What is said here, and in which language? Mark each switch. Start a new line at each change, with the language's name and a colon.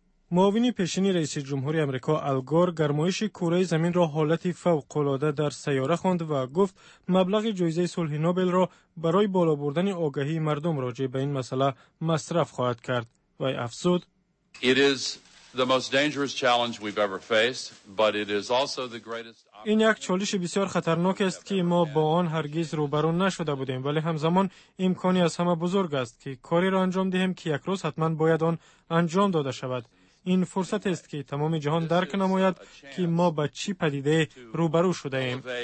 Persian: معاون پیشینی رئیس جمهوری آمریکا آلگور گرمایش کره زمین را حالت فوق العاده در سیاره خواند و گفت مبلغ جایزه صلح نوبل را برای بالا بردن آگاهی مردم راجع به این مسئله مصرف خواهد کرد و افزود
English: It is the most dangerous challenge we've ever faced, but it is also the greatest
Persian: این یک چالش بسیار خطرناک است که ما با آن هرگز روبرو نشده بودیم، ولی همزمان امکانی از همه بزرگ است که کاری را انجام دهیم که یک روز حتما باید آن انجام داده شود. این فرصت است که تمام جهان درک نماید که ما با چی پدیده روبرو شده ایم.